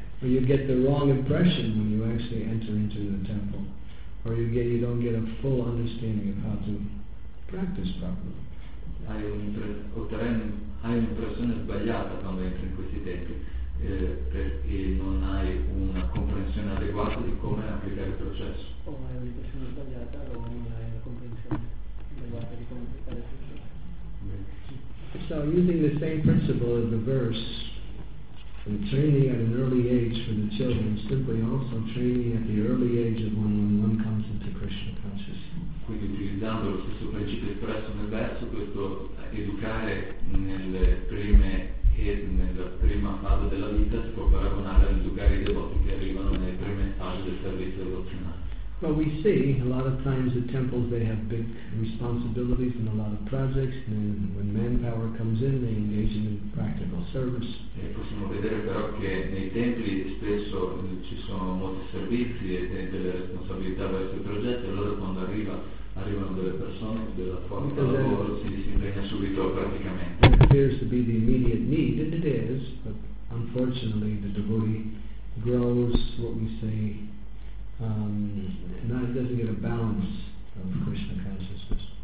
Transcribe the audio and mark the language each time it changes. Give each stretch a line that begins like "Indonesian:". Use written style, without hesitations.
English: or you get the wrong impression when you actually enter into the temple, or you don't get a full understanding of how to practice properly.
Italian: Hai un'impressione sbagliata quando entri in questi tempi, perché non hai una comprensione adeguata di come applicare il processo. O hai un'impressione sbagliata o non hai una comprensione adeguata di come applicare il processo.
English: So using the same principle of the verse, the training at an early age for the children, simply also training at the early age of when one comes into Krishna consciousness.
Italian: Quindi utilizzando lo stesso principio espresso nel verso, questo educare nelle prime e nella prima fase della vita si può paragonare ad educare i devoti che arrivano nelle prime fasi del servizio devozionale.
English: But we see a lot of times the temples, they have big responsibilities and a lot of projects, and when manpower comes in, they engage in practical service.
Italian: E possiamo vedere però che nei templi spesso ci sono molti servizi e delle responsabilità verso i progetti, allora quando arrivano delle persone della forza lavoro, si disimpegna subito praticamente.
English: It appears to be the immediate need, and it is, but unfortunately the devotee grows, what we say, and it doesn't get a balance of Krishna consciousness.